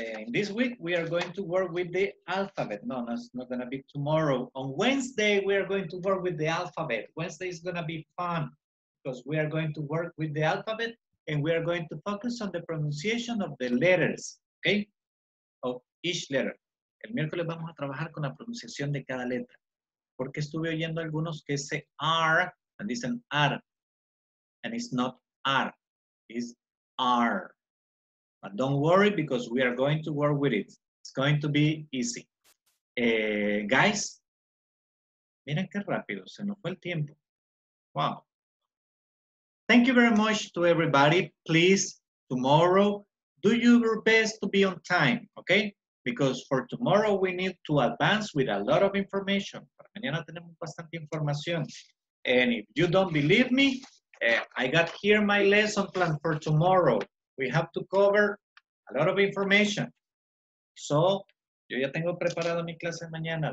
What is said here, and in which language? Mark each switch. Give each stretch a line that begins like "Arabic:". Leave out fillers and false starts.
English: This week we are going to work with the alphabet. No, it's not gonna be tomorrow. On Wednesday we are going to work with the alphabet. Wednesday is gonna be fun because we are going to work with the alphabet and we are going to focus on the pronunciation of the letters, okay? Of each letter.
Spanish: El miércoles vamos a trabajar con la pronunciación de cada letra. Porque estuve oyendo algunos que dicen R, and dicen R,
English: and it's not R, it's R. But don't worry, because we are going to work with it. It's going to be easy.
Spanish: Guys, miren qué rápido, se nos fue el tiempo.
English: Wow. Thank you very much to everybody. Please, tomorrow, do your best to be on time, okay? Because for tomorrow we need to advance with a lot of information.
Spanish: Para mañana tenemos bastante información.
English: And if you don't believe me, I got here my lesson plan for tomorrow. We have to cover a lot of information.
Spanish: So, yo ya tengo preparado mi clase mañana.